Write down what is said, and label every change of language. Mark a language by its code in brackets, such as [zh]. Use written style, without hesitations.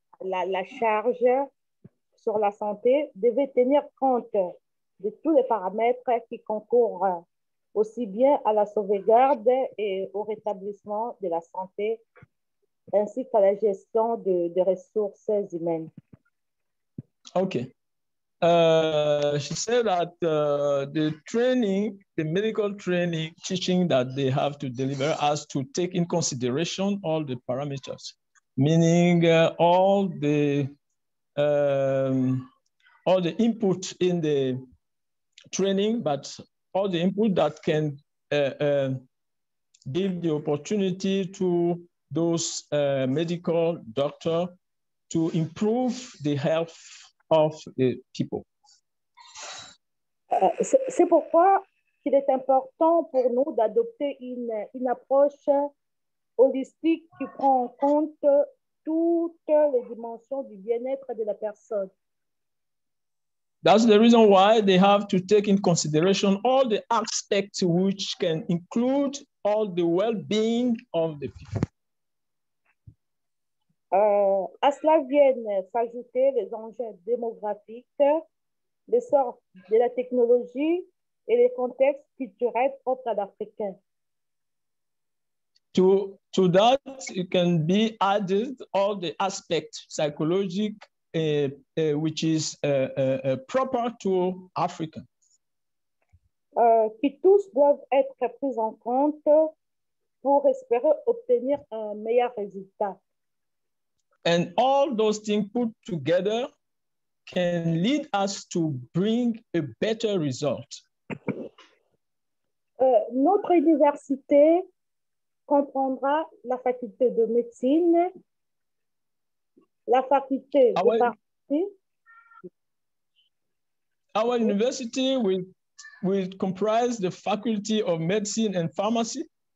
[fr] la charge sur la santé devait tenir compte de tous les paramètres qui concourent aussi bien à la sauvegarde et au rétablissement de la santé, ainsi qu'à la gestion des ressources humaines. [en] OK. She said that the training, the medical training, teaching that they have to deliver has to take in consideration all the parameters, meaning all the input in the training, but all the input that can give the opportunity to those medical doctor to improve the health of the people. [fr] C'est pourquoi il est important pour nous d'adopter une approche holistique qui prend en compte toutes les dimensions du bien-être de la personne. [en] That's the reason why they have to take in consideration all the aspects which can include all the well-being of the people. [fr] À cela viennent s'ajouter les enjeux démographiques, l'essor de la technologie et les contextes culturels propres à l'Africain. [en] To that, it can be added all the aspects psychologic which is proper to Africans. [fr] Qui tous doivent être pris en compte pour espérer obtenir un meilleur résultat. [en] And all those things put together can lead us to bring a better result. [fr] Notre université comprendra la faculté de médecine, la faculté de pharmacie. [en] Our university will comprise the faculty of medicine and pharmacy.